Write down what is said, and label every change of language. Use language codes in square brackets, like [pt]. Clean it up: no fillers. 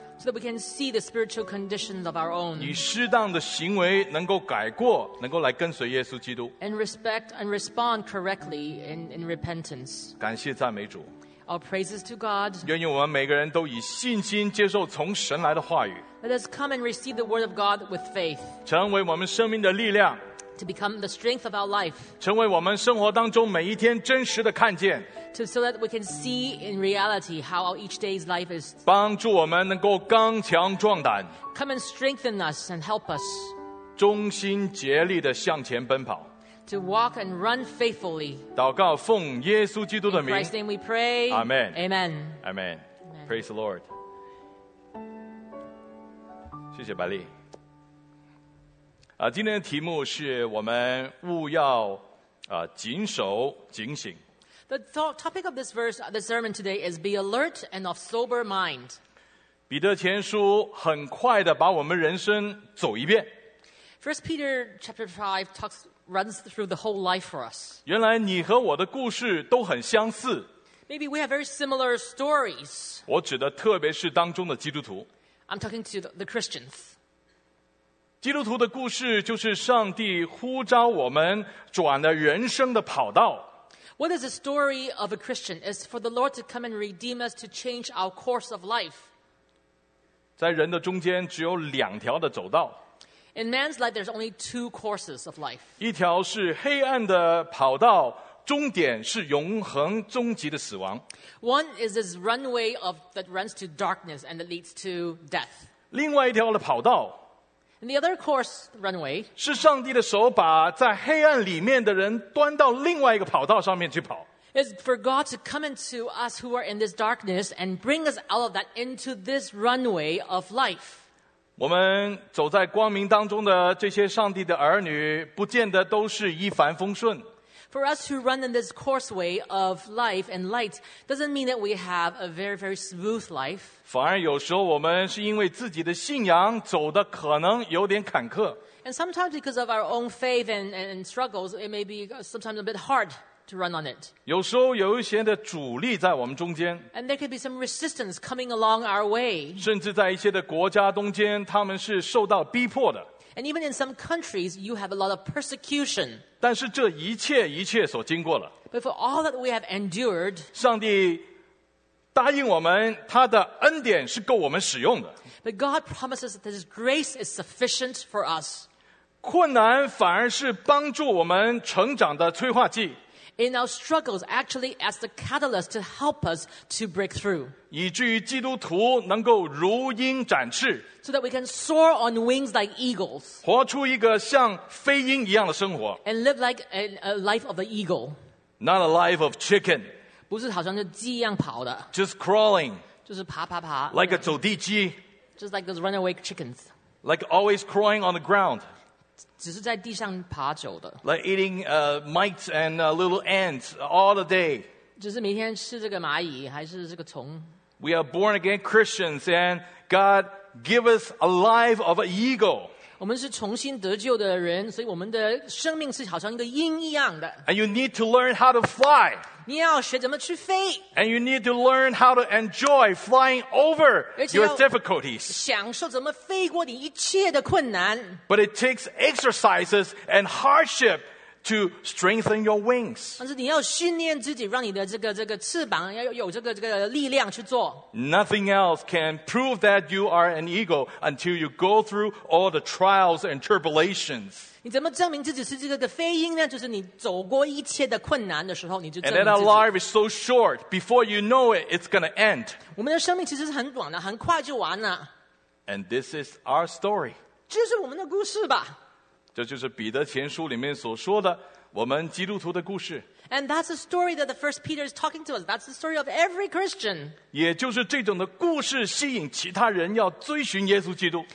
[en] So that we can see the spiritual condition of our own. [zh] 以适当的行为能够改过，能够来跟随耶稣基督。 [en] And respect and respond correctly in repentance. [zh] 感谢赞美主。 [en] All praises to God. [zh] 愿意我们每个人都以信心接受从神来的话语。 [en] Let us come and receive the word of God with faith. [zh] 成为我们生命的力量。 [en] To become the strength of our life. [zh] 成为我们生活当中每一天真实的看见。 [en] So that we can see in reality how each day's life is. [zh] 帮助我们能够刚强壮胆。 [en] Come and strengthen us and help us. [zh] 忠心竭力地向前奔跑。 [en] To walk and run faithfully. [zh] 祷告奉耶稣基督的名。 [en] In Christ's name we pray. Amen. Amen. Amen. Praise the Lord. [zh] 谢谢白丽。今天的题目是我们务要谨守警醒。 [en] The topic of this verse, the sermon today is be alert and of sober mind. [zh] 彼得前书很快地把我们人生走一遍。 [en] First Peter chapter 5 runs through the whole life for us. [zh] 原来你和我的故事都很相似。 [en] Maybe we have very similar stories. [zh] 我指的特别是当中的基督徒。 [en] I'm talking to the Christians. [zh] 基督徒的故事就是上帝呼召我们转了人生的跑道。 [en] What is the story of a Christian? It's for the Lord to come and redeem us to change our course of life. [zh] 在人的中间只有两条的走道。 [en] In man's life, there's only two courses of life. [zh] 一条是黑暗的跑道，终点是永恒终极的死亡。 [en] One is this runway that runs to darkness and that leads to death. [zh] 另外一条的跑道。 [en] And the other course, runway, [zh] 是上帝的手把在黑暗里面的人端到另外一个跑道上面去跑。 [en] It's for God to come into us who are in this darkness and bring us out of that into this runway of life. [zh] 我们走在光明当中的这些上帝的儿女不见得都是一帆风顺。 [en] For us who run in this courseway of life and light doesn't mean that we have a very, very smooth life. [zh] 反而有时候我们是因为自己的信仰走得可能有点坎坷。 [en] And sometimes because of our own faith and struggles, it may be sometimes a bit hard to run on it. [zh] 有时候有一些的阻力在我们中间。 [en] And there could be some resistance coming along our way. [zh] 甚至在一些的国家中间他们是受到逼迫的。 [en] And even in some countries, you have a lot of persecution. [zh] 但是这一切一切所经过了。 [en] But for all that we have endured, [zh] 上帝答应我们，他的恩典是够我们使用的。 [en] But God promises that His grace is sufficient for us. [zh] 困难反而是帮助我们成长的催化剂。 [en] In our struggles, actually as the catalyst to help us to break through. [zh] 以至于基督徒能够如鹰展翅。 [en] So that we can soar on wings like eagles. [zh] 活出一个像飞鹰一样的生活。 [en] And live like a life of an eagle. Not a life of chicken. [zh] 不是好像就鸡一样跑的。 [en] Just crawling. [zh] 就是爬爬爬。 [en] Like a [zh] 走地鸡。 [en] Just like those runaway chickens. Like always crawling on the ground. [zh] 只是在地上爬走的。 [en] Like eating mites and little ants all the day. [zh] 就是每天吃这个蚂蚁还是这个虫。 [en] We are born again Christians and God give us a life of an eagle. [zh] 我们是重新得救的人，所以我们的生命是好像一个鹰一样的。 [en] And you need to learn how to fly. [zh] 你要学怎么去飞。 [en] And you need to learn how to enjoy flying over your difficulties. [zh] 享受怎么飞过你一切的困难。 [en] But it takes exercises and hardship to strengthen your wings. [zh] 但是你要训练自己，让你的这个翅膀要有这个力量去做。 [en] Nothing else can prove that you are an eagle until you go through all the trials and tribulations. [zh] 你怎么证明自己是这个飞鹰呢？就是你走过一切的困难的时候，你就证明自己。 [en] And then our life is so short. Before you know it, it's going to end. [zh] 我们的生命其实是很短的，很快就完了。 [en] And this is our story. [zh] 这是我们的故事吧？这就是彼得前书里面所说的我们基督徒的故事。 [en] And that's the story that the First Peter is talking to us. That's the story of every Christian. [zh] 也就是这种的故事吸引其他人要追寻耶稣基督。